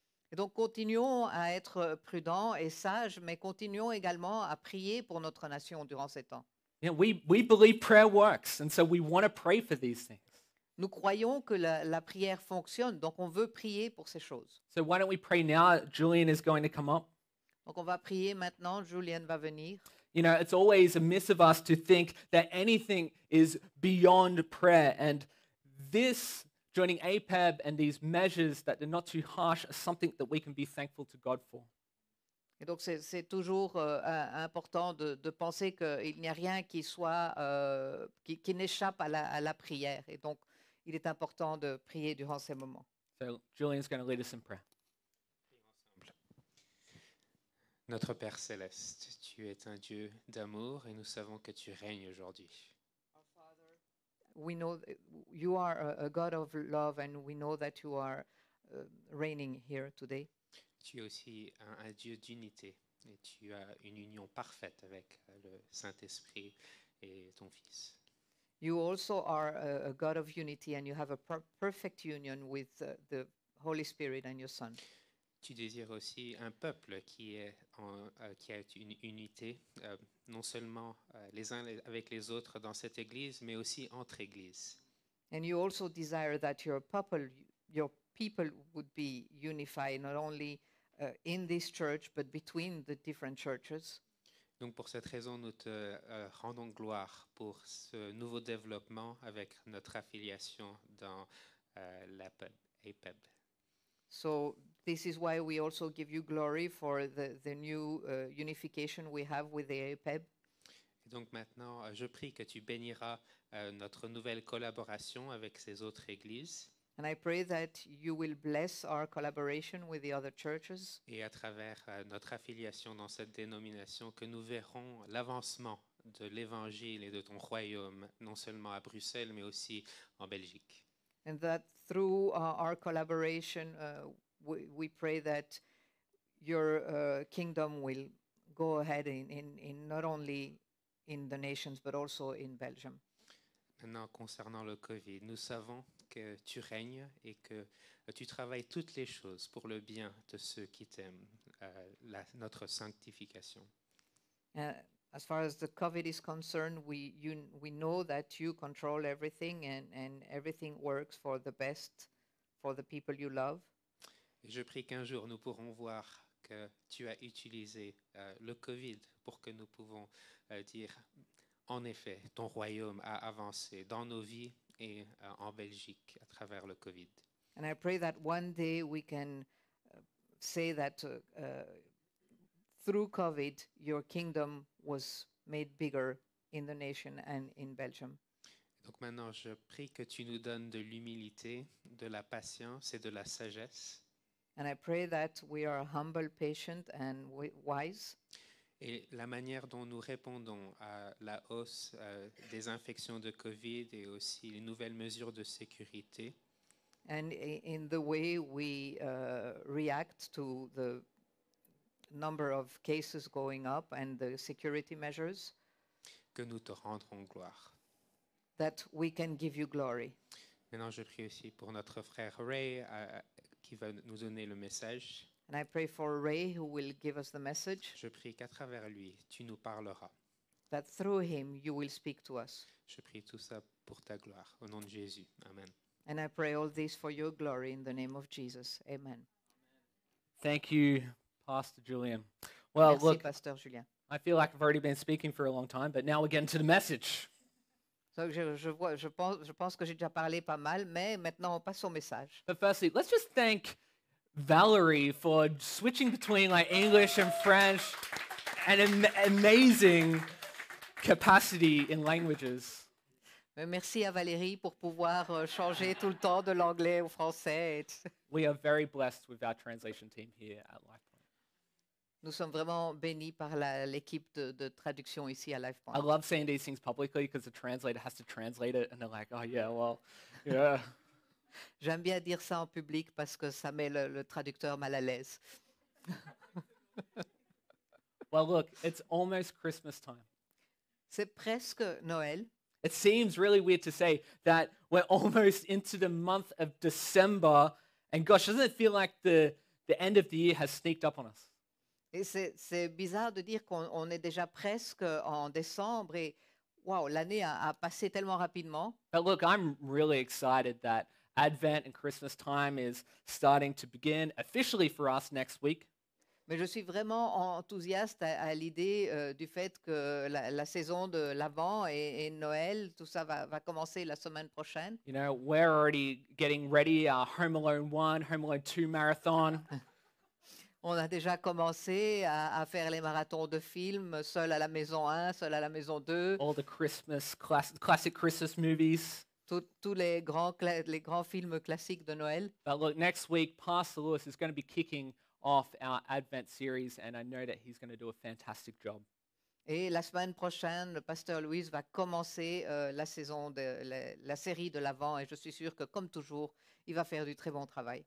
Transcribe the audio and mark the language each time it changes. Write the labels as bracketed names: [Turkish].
[French] Et donc, continuons à être prudents et sages, mais continuons également à prier pour notre nation durant ces temps. [English] You know, we believe prayer works, and so we want to pray for these things. [French] Nous croyons que la prière fonctionne, donc on veut prier pour ces choses. [English] So why don't we pray now? Julian is going to come up. [French] Donc, on va prier maintenant. Julian va venir. [English] You know, it's always amiss of us to think that anything is beyond prayer, and this joining APEB and these measures that are not too harsh are something that we can be thankful to God for. [French] Et donc c'est toujours important de penser qu'il n'y a rien qui soit qui n'échappe à la prière. Et donc il est important de prier durant ces moments. [English] So Julian's going to lead us in prayer. [French] Notre Père céleste, tu es un Dieu d'amour et nous savons que tu règnes aujourd'hui. [English] We know you are a God of love and we know that you are reigning here today. [French] Tu es aussi un Dieu d'unité et tu as une union parfaite avec le Saint-Esprit et ton Fils. [English] You also are a God of unity and you have a perfect union with the Holy Spirit and your Son. [French] Tu désires aussi un peuple qui a une unité non seulement les uns avec les autres dans cette église, mais aussi entre églises. [English] And you also desire that your people would be unified not only in this church but between the different churches. [French] Donc pour cette raison, nous te rendons gloire pour ce nouveau développement avec notre affiliation dans l'APEB. [English] So this is why we also give you glory for the new unification we have with the APEB. [French] Et donc maintenant, je prie que tu béniras notre nouvelle collaboration avec ces autres églises. [English] And I pray that you will bless our collaboration with the other churches. [French] Et à travers notre affiliation dans cette dénomination, que nous verrons l'avancement de l'évangile et de ton royaume, non seulement à Bruxelles, mais aussi en Belgique. [English] And that through our collaboration, we pray that your kingdom will go ahead in not only in the nations, but also in Belgium. [French] Maintenant, concernant le COVID, nous savons que tu règnes et que tu travailles toutes les choses pour le bien de ceux qui t'aiment, notre sanctification. [English] As far as the COVID is concerned, we know that you control everything and everything works for the best for the people you love. [French] Et je prie qu'un jour nous pourrons voir que tu as utilisé le COVID pour que nous pouvons dire, en effet, ton royaume a avancé dans nos vies et en Belgique à travers le COVID. [English] And I pray that one day we can say that through COVID, your kingdom was made bigger in the nation and in Belgium. [French] Donc maintenant, je prie que tu nous donnes de l'humilité, de la patience et de la sagesse. [English] And I pray that we are humble, patient and wise. [French] Et la manière dont nous répondons à la hausse des infections de COVID et aussi les nouvelles mesures de sécurité. [English] And in the way we react to the number of cases going up and the security measures. [French] Que nous te rendrons gloire. [English] That we can give you glory. [French] Maintenant, je prie aussi pour notre frère Ray qui va nous donner le message. [English] And I pray for Ray who will give us the message. [French] Je prie qu'à travers lui, tu nous parleras. [English] That through him, you will speak to us. [French] Je prie tout ça pour ta gloire. Au nom de Jésus. Amen. [English] And I pray all this for your glory in the name of Jesus. Amen. Thank you, Pastor Julian. Well, merci, look, Pastor Julian. I feel like I've already been speaking for a long time, but now we're getting to the message. [French] So je pense que j'ai déjà parlé pas mal, mais maintenant on passe au message. [English] But firstly, let's just thank Valerie for switching between like English and French, and amazing capacity in languages. [French] Mais merci à Valérie pour pouvoir changer tout le temps de l'anglais au français. [English] We are very blessed with our translation team here at LifePoint. [French] Nous sommes vraiment bénis par l'équipe de traduction ici à LifePoint. [English] I love saying these things publicly because the translator has to translate it and they're like, oh yeah, well, yeah. [French] J'aime bien dire ça en public parce que ça met le traducteur mal à l'aise. [English] Well, look, it's almost Christmas time. [French] C'est presque Noël. [English] It seems really weird to say that we're almost into the month of December and gosh, doesn't it feel like the end of the year has sneaked up on us? [French] Et c'est bizarre de dire qu'on est déjà presque en décembre et wow, l'année a passé tellement rapidement. [English] But look, I'm really excited that Advent and Christmas time is starting to begin officially for us next week. [French] Mais je suis vraiment enthousiaste à l'idée du fait que la saison de l'Avent et Noël, tout ça va commencer la semaine prochaine. [English] You know, we're already getting ready our Home Alone 1, Home Alone 2 marathon. [French] On a déjà commencé à faire les marathons de films, seul à la maison 1, seul à la maison 2. [English] All the Christmas, classic Christmas movies. [French] Tous les grands films classiques de Noël. [English] But look, next week, Pastor Lewis is going to be kicking off our Advent series, and I know that he's going to do a fantastic job. [French] Et la semaine prochaine, le Pasteur Lewis va commencer la saison de la série de l'Avent, et je suis sûr que, comme toujours, il va faire du très bon travail.